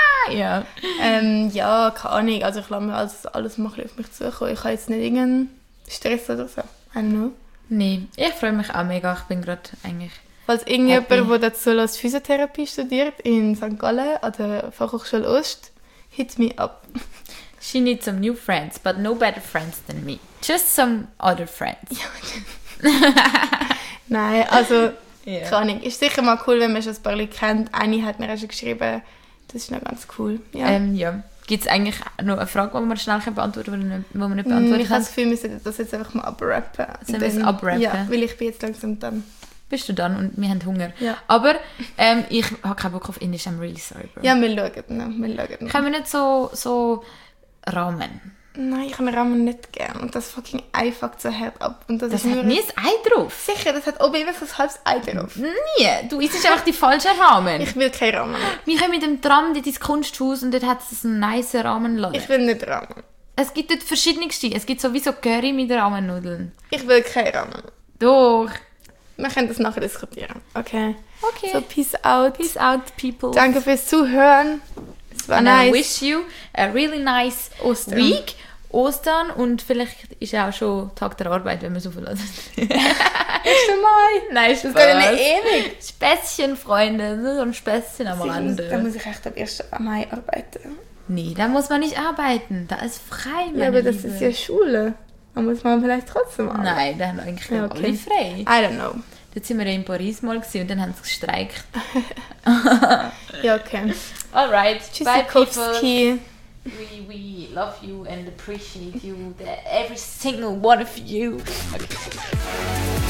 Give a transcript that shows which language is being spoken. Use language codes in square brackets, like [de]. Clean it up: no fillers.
[de] Ja. Ja, keine Ahnung. Also ich lasse mir alles mal auf mich zukommen. Ich habe jetzt nicht irgendeinen Stress oder so. [en] I don't know. [de] Nein, ich freue mich auch mega. Ich bin gerade eigentlich Falls irgendjemand, der dazu lässt, Physiotherapie studiert in St. Gallen an der Fachhochschule Ost, [en] hit me up. She needs some new friends, but no better friends than me. Just some other friends. [de] Nein, also, yeah. Keine Ahnung. Ist sicher mal cool, wenn man schon ein paar Leute kennt. Eine hat mir auch schon geschrieben. Das ist noch ganz cool. Ja. Ja. Gibt es eigentlich noch eine Frage, die wir schnell beantworten können, die wir nicht beantworten können? Ich habe das Gefühl, wir sollten das jetzt einfach mal abrappen. Sollen wir es abrappen? Ja, weil ich bin jetzt langsam dann. Bist du dann und wir haben Hunger. Ja. Aber ich habe keinen Bock auf Indisch, [en] I'm really sorry. [de] Ja, wir schauen noch. Wir schauen noch. Können wir nicht so Ramen? Nein, ich habe Ramen nicht gern. Und das fucking Ei fuckt so hart ab. Und das hat nie ein Ei drauf. Sicher, das hat oben immer so ein halbes Ei drauf. Nie! Du isst einfach die falschen Ramen. Ich will kein Ramen. Wir kommen mit dem Tram in dein Kunsthaus und dort hat es einen nice Ramenladen. Ich will nicht Ramen. Es gibt dort verschiedenste. Es gibt sowieso Curry mit Ramennudeln. Ich will kein Ramen. Doch. Wir können das nachher diskutieren. Okay. Okay. [en] So, peace out. Peace out, people. [de] Danke fürs Zuhören. Es war [en] and nice. I wish you a really nice [de] Ostern. [en] Week. Ostern. [de] Und vielleicht ist ja auch schon Tag der Arbeit, wenn wir so viel lassen. Ist der Mai. Nein, Spaß. Das geht nicht ewig. Späßchen, Freunde. So ein Späßchen am Rande. Da muss ich echt am 1. Mai arbeiten. Nee, da muss man nicht arbeiten. Da ist frei, meine Liebe. Ja, aber das ist ja Schule. Da muss man vielleicht trotzdem arbeiten. Nein, da haben eigentlich ja, okay. Alle frei. [en] I don't know. [de] Da sind wir ja in Paris mal gewesen und dann haben sie gestreikt. Ja, okay. [en] Alright, [de] tschüss, bye, Kowski. [en] We love you and appreciate you, every single one of you. Okay.